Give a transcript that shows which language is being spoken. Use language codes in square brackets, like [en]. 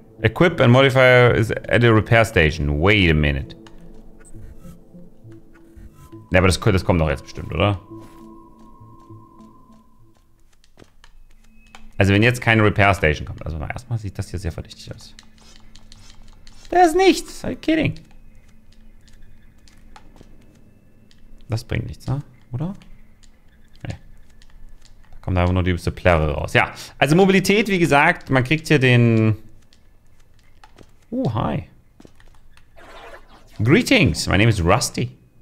[en] Equip and modify is at a repair station. Wait a minute. [de] Ne, aber das kommt doch jetzt bestimmt, oder? Also wenn jetzt keine Repair Station kommt. Also erstmal sieht das hier sehr verdächtig aus. Da ist nichts. [en] Are you kidding? [de] Das bringt nichts, ne? Oder? Kommt einfach nur die übste Plärre raus. Ja, also Mobilität, wie gesagt, man kriegt hier den... [en] hi. Greetings, my name is Rusty.